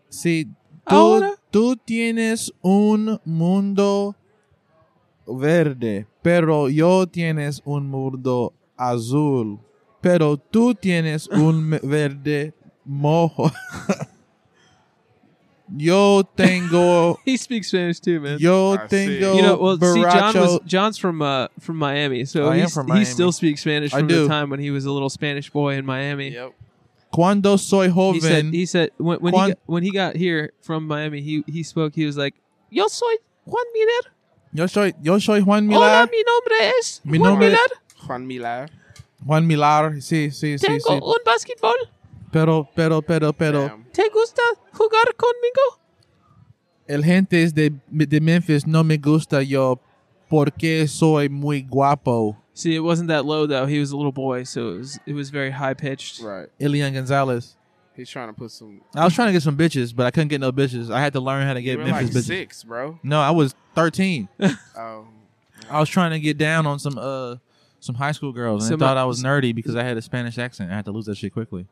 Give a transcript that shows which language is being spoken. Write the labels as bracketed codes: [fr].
[es] Sí. Tú tienes un mundo verde, pero yo tienes un mundo azul. Pero tú tienes un verde mojo. Yo tengo. [en] He speaks Spanish too, man. [es] Yo tengo. [en] You know, well, see, John's from Miami, so he still speaks Spanish from the time when he was a little Spanish boy in Miami. Yep. [es] Cuando soy joven, [en] he said when he got here from Miami, he spoke. He was like, [es] "Yo soy Juan Miller." Yo soy Juan Miller. Hola, mi nombre es Juan Miller. Juan Miller. Juan Miller. Sí. Tengo un basketball. Pero. Damn. ¿Te gusta jugar conmigo? El gente es de Memphis no me gusta yo porque soy muy guapo. [en] See, it wasn't that low, though. He was a little boy, so it was very high-pitched. Right. Ilian Gonzalez. He's trying to put some... I was trying to get some bitches, but I couldn't get no bitches. I had to learn how to get Memphis like bitches. You were like six, bro. No, I was 13. Oh. I was trying to get down on some high school girls, and so they thought I was nerdy because I had a Spanish accent. I had to lose that shit quickly.